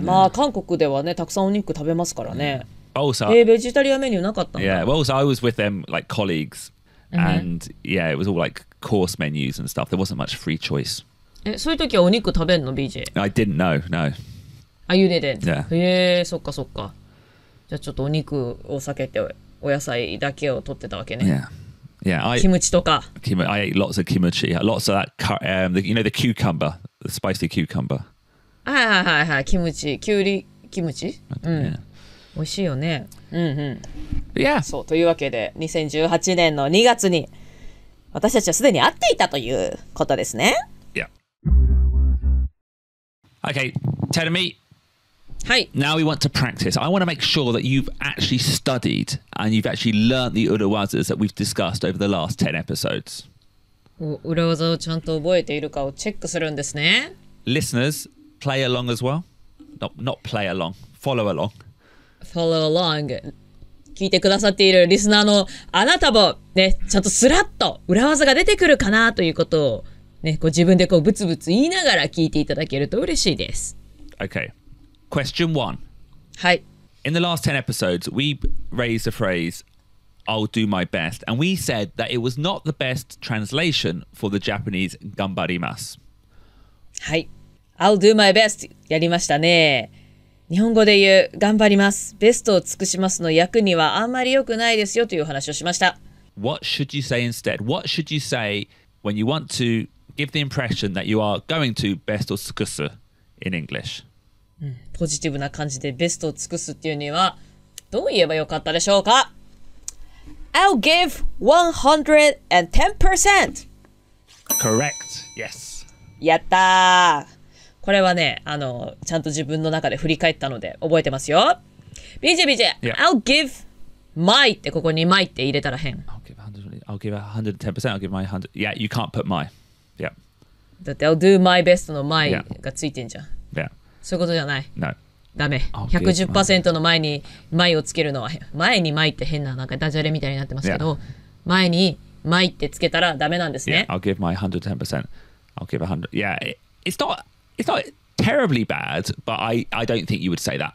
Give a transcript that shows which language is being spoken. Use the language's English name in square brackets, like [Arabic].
[Japanese] まあ韓国ではね、たくさんお肉食べますからね。 [English] Also, [Japanese] ベジタリアンメニューなかったんだ。 [English] Yeah, well, so I was with them like colleagues, and yeah, it was all like course menus and stuff. There wasn't much free choice. [Japanese] え、そういう時はお肉食べんの、BJ? [English] I didn't know. No. Ah, you didn't. Yeah. [Japanese] へえ、そっかそっか。じゃあちょっとお肉を避けて。お野菜だけを取ってたわけね。 [English] Yeah. Yeah, [Japanese] キムチとか。 [English] I ate lots of kimchi. Lots of that, you know, the cucumber. The spicy cucumber. [Japanese] はいはいはいはい。キムチ。キュウリキムチ。うん。美味しいよね。うんうん。 [English] Yeah. [Japanese] そう。というわけで、2018年の2月に、私たちはすでに会っていたということですね。 [English] Yeah. Okay, tell me. [Japanese] はい、 [English] Now we want to practice. I want to make sure that you've actually studied and you've actually learnt the 裏技 that we've discussed over the last 10 episodes. [Japanese] 裏技をちゃんと覚えているかをチェックするんですね。 [English] Listeners, play along as well. Not play along. Follow along. Follow along. [Japanese] 聞いてくださっているリスナーのあなたもね、ちゃんとスラッと裏技が出てくるかなということをね、こう自分でこうブツブツ言いながら聞いていただけると嬉しいです。 [English] Okay. Question one. [Japanese] はい。 [English] In the last 10 episodes, we raised the phrase, I'll do my best. And we said that it was not the best translation for the Japanese 頑張ります。 [Japanese] はい。 [English] I'll do my best. [Japanese] やりましたね。日本語で言う頑張ります。ベストを尽くしますの訳にはあんまり良くないですよという話をしました。 [English] What should you say instead? What should you say when you want to give the impression that you are going to best を尽くす in English? [Japanese] ポジティブな感じでベストを尽くすっていうにはどう言えばよかったでしょうか ? [English] I'll give 110%! Correct! Yes! [Japanese] やったー! これはね、ちゃんと自分の中で振り返ったので覚えてますよ。 BJBJ!、 [English] Yeah. I'll give my [Japanese] ってここに my って入れたら変。 [English] I'll give 110%, I'll give my 100%. Yeah, you can't put my. Yeah. [Japanese] だって [English] I'll do my best [Japanese] の my がついてんじゃん。 [English] Yeah. yeah. [Japanese] そういうことじゃない。 [English] No. [Japanese] ダメ。 110% の前に前をつけるのは前に前って変ななんかダジャレみたいになってますけど、 [English] yeah. [Japanese] 前に前ってつけたらダメなんですね。 [English] Yeah, I'll give my 110%. I'll give 100. Yeah, it's not terribly bad, but I don't think you would say that.